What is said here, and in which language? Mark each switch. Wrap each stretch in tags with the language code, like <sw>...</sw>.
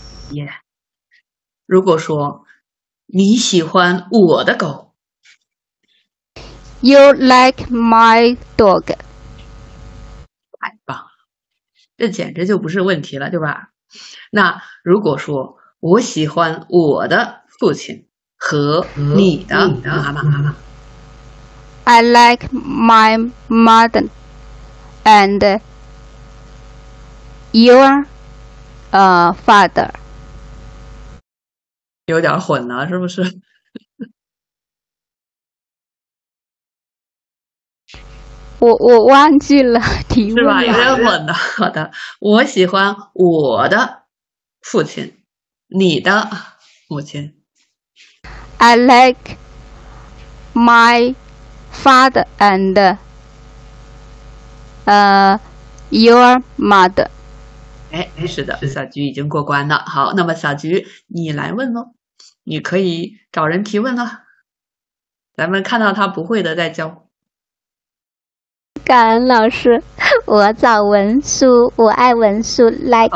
<zh>Yeah。 如果说你喜欢我的狗</zh> <en>，You like my dog。</en> <zh>太棒了，这简直就不是问题了，对吧？那如果说我喜欢我的父亲。和你的妈妈、</zh> <en>I like my mother and your father。</en> <zh>有点混了是不是？我忘记了题目是吧？有点混了。好的，我喜欢我的父亲，你的母亲。</zh> <en>I like my father and your mother。</en> <zh>哎，是的，小菊已经过关了。好，那么小菊你来问咯，你可以找人提问了，咱们看到他不会的再教。感恩老师，我找文书，我爱文书 like。</zh>